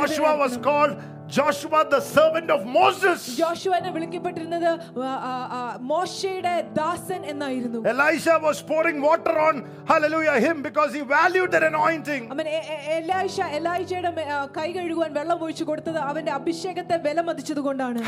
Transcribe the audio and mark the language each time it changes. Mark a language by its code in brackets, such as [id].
[en] Joshua was called Joshua the servant of Moses. [ml] യോശുവനെ വിളിക്കപ്പെട്ടിരുന്നത് മോശയുടെ ദാസൻ എന്നായിരുന്നു. [en] Elisha was pouring water on hallelujah him because he valued that anointing. [ml] അമേൻ. എലൈഷയുടെ കൈ കഴുകുവാൻ വെള്ളം ഒഴിച്ചു കൊടുത്തത് അവന്റെ അഭിഷേകത്തെ വിലമതിച്ചതുകൊണ്ടാണ്.